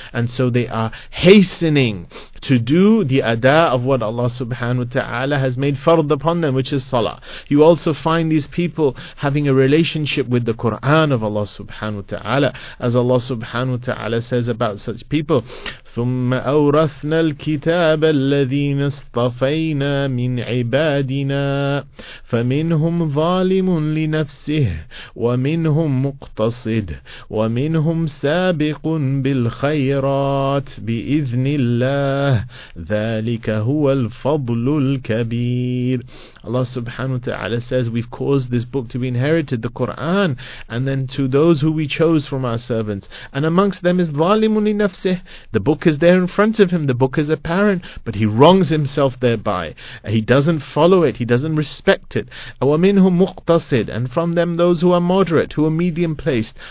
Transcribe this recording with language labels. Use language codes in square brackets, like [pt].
[en] And so they are hastening to do the ada of what Allah subhanahu wa ta'ala has made fard upon them, which is salah. You also find these people having a relationship with the Quran of Allah subhanahu wa ta'ala. As Allah subhanahu wa ta'ala says about such people, [ar] ثم أورثنا الكتاب الذين اصطفينا من عبادنا فمنهم ظالم لنفسه ومنهم مقتصد ومنهم سابق بالخيرات بإذن الله ذلك هو الفضل الكبير. [en] Allah subhanahu wa ta'ala says, we've caused this book to be inherited, the Quran, and then to those who we chose from our servants, and amongst them is [ar] ظالمٌ لنفسه. [en] The book is there in front of him, the book is apparent, but he wrongs himself thereby. He doesn't follow it, he doesn't respect it. [ar] وَمِنْهُمْ مُقْتَصِدْ, [en] and from them those who are moderate, who are medium placed.